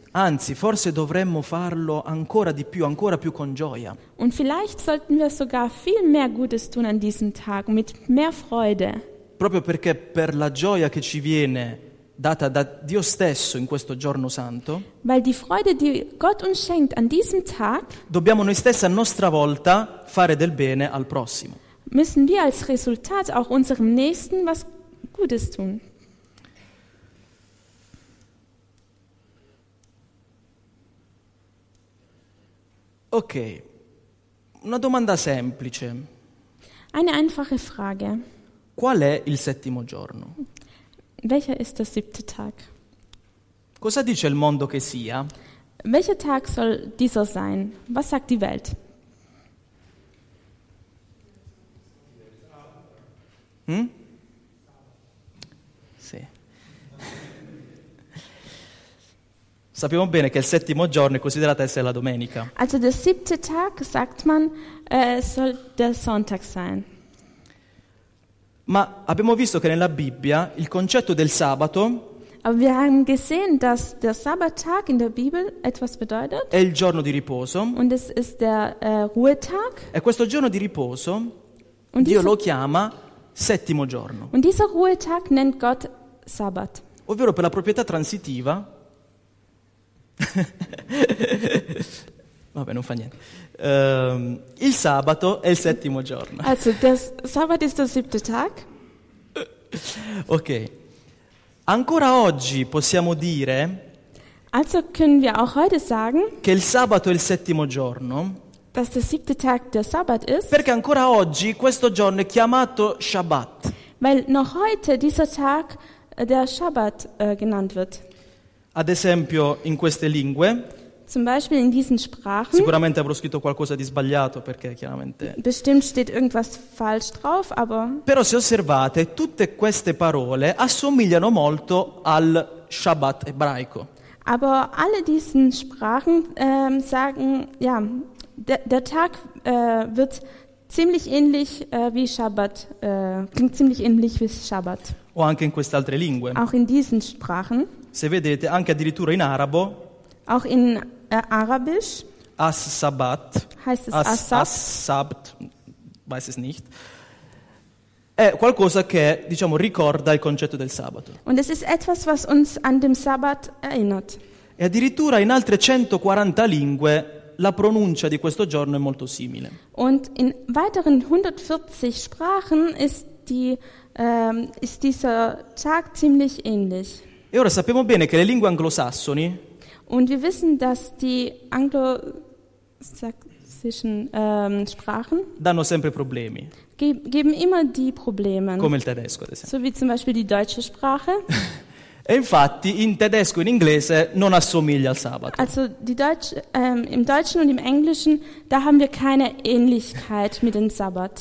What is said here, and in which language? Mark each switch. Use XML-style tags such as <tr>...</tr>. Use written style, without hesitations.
<it>Anzi, forse dovremmo farlo ancora più con gioia.</it> <de>Und vielleicht sollten wir sogar viel mehr Gutes tun an diesem Tag mit mehr Freude.</de> <it>Proprio perché per la gioia che ci viene data da Dio stesso in questo giorno santo.</it> <de>Weil die Freude, die Gott uns schenkt an diesem Tag.</de> <it>Dobbiamo noi stessi a nostra volta fare del bene al prossimo.</it> <de>Müssen wir als Resultat auch unserem Nächsten was Gutes tun.</de> <it>Okay, una domanda semplice.</it> <de>Eine einfache Frage.</de> <it>Qual è il settimo giorno?</it> <de>Welcher ist der siebte Tag?</de> <it>Cosa dice il mondo che sia?</it> <de>Welcher Tag soll dieser sein? Was sagt die Welt?</de> <it>Sì. Sappiamo bene che il settimo giorno è considerato essere la domenica.</it> <de>Also der siebte Tag, sagt man, soll der Sonntag sein.</de> <it>Ma abbiamo visto che nella Bibbia il concetto del sabato.</it> <de>Aber wir haben gesehen, dass der Sabbattag in der Bibel etwas bedeutet.</de> <it>È il giorno di riposo.</it> <de>Und es ist der Ruhetag.</de> <it>E questo giorno di riposo und Dio lo chiama settimo giorno.</it> <de>Und dieser Ruhetag nennt Gott Sabbat.</de> <it>Ovvero per la proprietà transitiva. Vabbè, non fa niente. Il sabato è il settimo giorno.</it> <de>Also, der Sabbat ist der siebte Tag. Ok.</de> <it>Ancora oggi possiamo dire.</it> <de>Also können wir auch heute sagen.</de> <it>Che il sabato è il settimo giorno.</it> <de>Dass der siebte Tag der Sabbat ist.</de> <it>Perché ancora oggi questo giorno è chiamato Shabbat.</it> <de>weil noch heute dieser Tag der Shabbat genannt wird.</de> <it>Ad esempio in queste lingue.</it> <de>Zum Beispiel in diesen Sprachen.</de> <it>Sicuramente avrò scritto qualcosa di sbagliato perché chiaramente.</it> <de>Bestimmt steht irgendwas falsch drauf, aber.</de> <it>Però se osservate, tutte queste parole assomigliano molto al Shabbat ebraico.</it> <de>Aber alle diesen Sprachen sagen, ja, der Tag wird ziemlich ähnlich wie Shabbat, klingt ziemlich ähnlich wie Shabbat.</de> <it>O anche in queste altre lingue.</it> <de>Auch in diesen Sprachen.</de> <it>Se vedete, anche addirittura in arabo.</it> <de>Auch in Arabisch.</de> <ar>As-Sabbat.</ar> <de>Heißt es As-Sabbat? Weiß es nicht.</de> <it>È qualcosa che, diciamo, ricorda il concetto del sabato.</it> <de>Und es ist etwas, was uns an dem Sabbat erinnert.</de> <it>E addirittura in altre 140 lingue la pronuncia di questo giorno è molto simile.</it> <de>Und in weiteren 140 Sprachen ist die ist dieser Tag ziemlich ähnlich.</de> <it>E ora sappiamo bene che le lingue anglosassoni.</it> <de>Und wir wissen, dass die anglosächsischen Sprachen</de> <it>danno sempre problemi.</it> <de>Geben immer die Probleme.</de> <it>Come il tedesco, ad esempio.</it> <de>So wie zum Beispiel die deutsche Sprache.</de> <it>E infatti in tedesco e in inglese non assomiglia al sabato.</it> <de>Also die im Deutschen und im Englischen, da haben wir keine Ähnlichkeit mit dem Sabbat.</de>